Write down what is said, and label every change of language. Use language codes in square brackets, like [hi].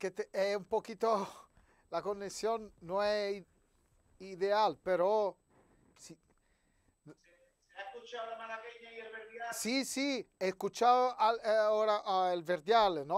[it] È un pochito, la connessione non è ideale, però sì. [es] Escuchado la maravilla y el verdial. [it] Sì, sì, ho escuchado ora il verdiale, no?